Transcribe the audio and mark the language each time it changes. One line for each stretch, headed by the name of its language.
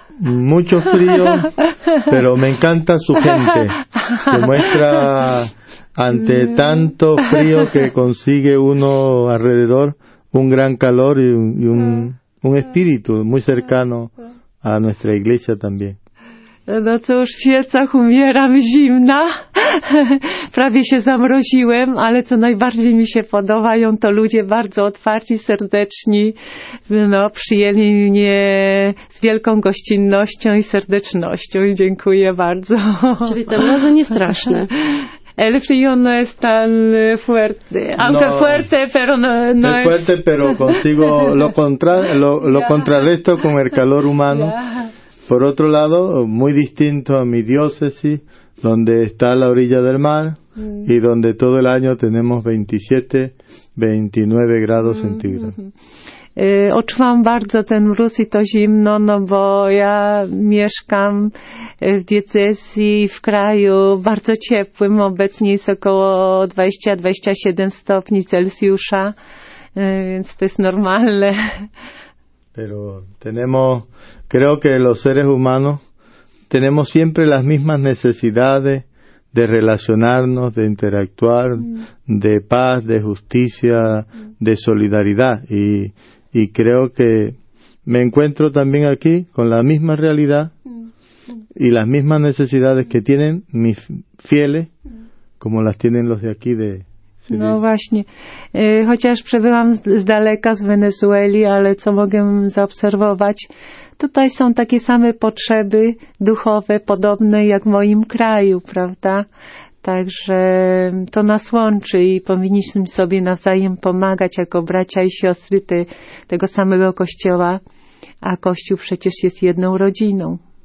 Spanish: Mucho frío, pero me encanta su gente. Se muestra ante tanto frío que consigue uno alrededor un gran calor y un espíritu muy cercano a nuestra iglesia también.
Polish: No cóż, w Siecach umieram zimna, prawie się zamroziłem, ale co najbardziej mi się podobają, to ludzie bardzo otwarci, serdeczni, no, przyjęli mnie z wielką gościnnością i serdecznością i dziękuję bardzo. Czyli te mrozy nie straszne.
Spanish: El frío no es tan fuerte, aunque no, fuerte, pero no es... fuerte, pero consigo lo contrarresto con el calor humano. Yeah. Por otro lado, muy distinto a mi diócesis, donde está a la orilla del mar y donde todo el año tenemos 27, 29 grados centígrados.
Polish: Odczuwam bardzo ten mróz i to zimno, no bo ja mieszkam w diecezji w kraju bardzo ciepłym, obecnie jest około 20-27 stopni Celsjusza, więc to jest normalne.
Spanish: Pero tenemos, creo que los seres humanos tenemos siempre las mismas necesidades de relacionarnos, de interactuar, de paz, de justicia, de solidaridad. Y creo que me encuentro también aquí con la misma realidad y las mismas necesidades que tienen mis fieles como las tienen los de aquí de...
Polish: No właśnie, chociaż przebyłam z daleka, z Wenezueli, ale co mogę zaobserwować, tutaj są takie same potrzeby duchowe, podobne jak w moim kraju, prawda? Także to nas łączy i powinniśmy sobie nawzajem pomagać jako bracia i siostry tego samego kościoła, a kościół przecież jest jedną rodziną.